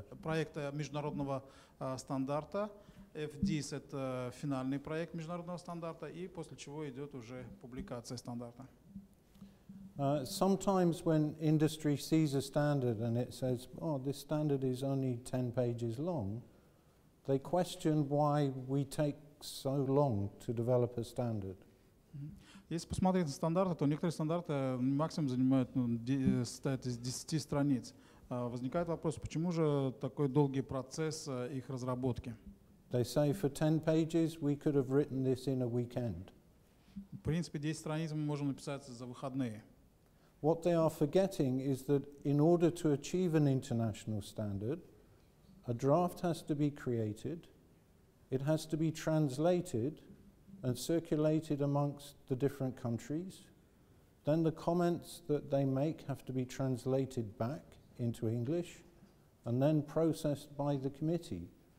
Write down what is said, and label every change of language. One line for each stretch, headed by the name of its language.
Russian: проект международного стандарта. FDIS это финальный проект международного стандарта, и после чего идет уже публикация стандарта.
English: Sometimes when industry sees a standard and it says, oh, this standard is only 10 pages long, they question why we take so long to develop a standard.
Russian: Если посмотреть на стандарты, то некоторые стандарты максимум занимают, ну, состоят из 10 страниц. Возникает вопрос, почему же такой долгий процесс их разработки?
English: They say for 10 pages we could have written this in a weekend.
Russian: В принципе, 10 страниц мы можем написать за выходные.
English: What they are forgetting is that in order to achieve an international standard, a draft has to be created, it has to be translated and circulated amongst the different countries, then the comments that they make have to be translated back into English and then processed by the committee.